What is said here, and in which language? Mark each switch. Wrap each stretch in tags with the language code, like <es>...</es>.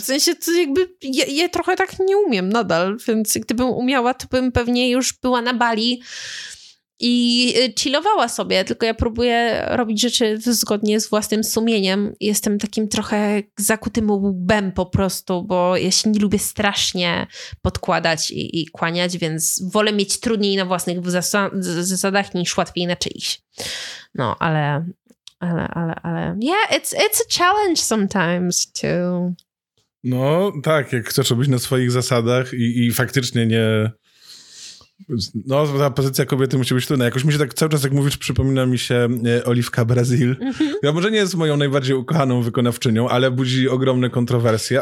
<pl>W sensie to jakby ja trochę tak nie umiem nadal, więc gdybym umiała, to bym pewnie już była na Bali i chillowała sobie, tylko ja próbuję robić rzeczy zgodnie z własnym sumieniem. Jestem takim trochę zakutym łbem po prostu, bo ja się nie lubię strasznie podkładać i kłaniać, więc wolę mieć trudniej na własnych zasadach niż łatwiej na czyichś. No, ale...</pl> <en>Yeah, it's a challenge sometimes too.</en> <pl>No, tak, jak chcesz robić na swoich zasadach i faktycznie nie... No, ta pozycja kobiety musi być trudna. Jakoś mi się tak cały czas, jak mówisz, przypomina mi się Oliwka Brazil. Ja może nie jest moją najbardziej ukochaną wykonawczynią, ale budzi ogromne kontrowersje.</pl>